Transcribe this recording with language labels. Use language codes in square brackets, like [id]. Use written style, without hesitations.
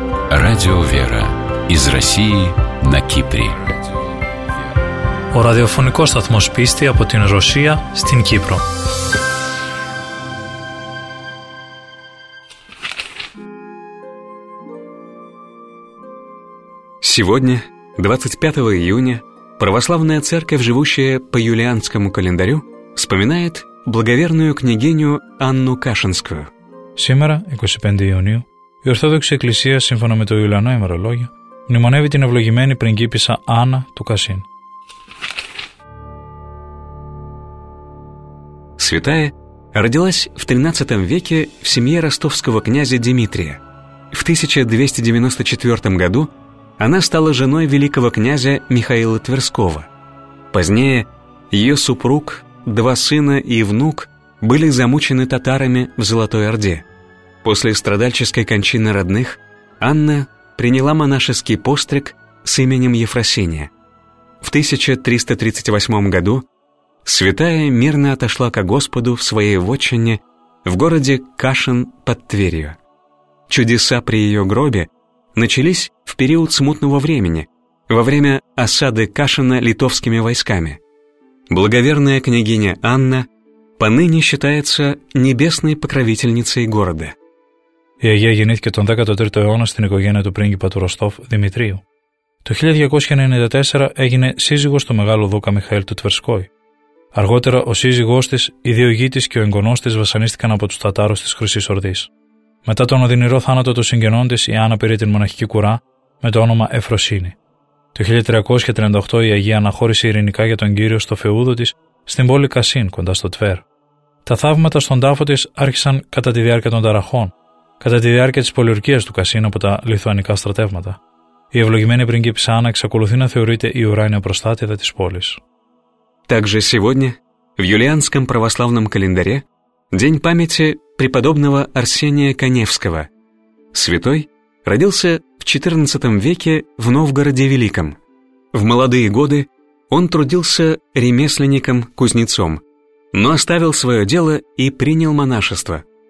[ru] Радио «Вера» из России на Кипре. [el] Ο ραδιοφωνικός σταθμός πίστη από την Ρωσία στην Κύπρο. [ru] Сегодня, 25 июня, Православная Церковь, живущая по юлианскому календарю, вспоминает благоверную княгиню Анну Кашинскую. Сегодня, [el] 25 июня, η Ορθόδοξη Εκκλησία, σύμφωνα με το Ιουλιανό ημερολόγιο, μνημονεύει την ευλογημένη πριγκίπισσα Άννα του Κασίν. [ru] Святая родилась в 13 веке в семье ростовского князя Дмитрия. В 1294 году она стала женой великого князя Михаила Тверского. Позднее ее супруг, два сына и внук были замучены татарами в Золотой Орде. После страдальческой кончины родных Анна приняла монашеский постриг с именем Ефросиния. В 1338 году святая мирно отошла ко Господу в своей вотчине в городе Кашин под Тверью. Чудеса при ее гробе начались в период смутного времени, во время осады Кашина литовскими войсками. Благоверная княгиня Анна поныне считается небесной покровительницей города. [el] Η Αγία γεννήθηκε τον 13ο αιώνα στην οικογένεια του πρίγκιπα του Ροστόφ, Δημητρίου. Το 1294 έγινε σύζυγος του μεγάλου δούκα Μιχαήλ του Τβερσκόη. Αργότερα ο σύζυγός της, οι δύο γη της και ο εγγονός της βασανίστηκαν από τους Τατάρους της Χρυσής Ορδής. Μετά τον οδυνηρό θάνατο των συγγενών της, η Άννα πήρε την μοναχική κουρά με το όνομα Εφροσύνη. Το 1338 η Αγία αναχώρησε ειρηνικά για τον κύριο στο φεούδο της στην πόλη Κασίν κοντά στο Τβέρ. Τα θαύματα στον τάφο της άρχισαν κατά τη διάρκεια των ταραχών, κατά τη διάρκεια της πολιορκίας του Κασίν από τα λιθουανικά στρατεύματα. Η ευλογημένη πριγκίπισσα Άννα εξακολουθεί να θεωρείται η ουράνια προστάτηδα της πόλης. [ru] Также сегодня в юлианском православном календаре день памяти преподобного Арсения Каневского. Святой родился в 14 веке в Новгороде Великом. В молодые годы он трудился ремесленником-кузнецом, но оставил свое дело и принял монашество.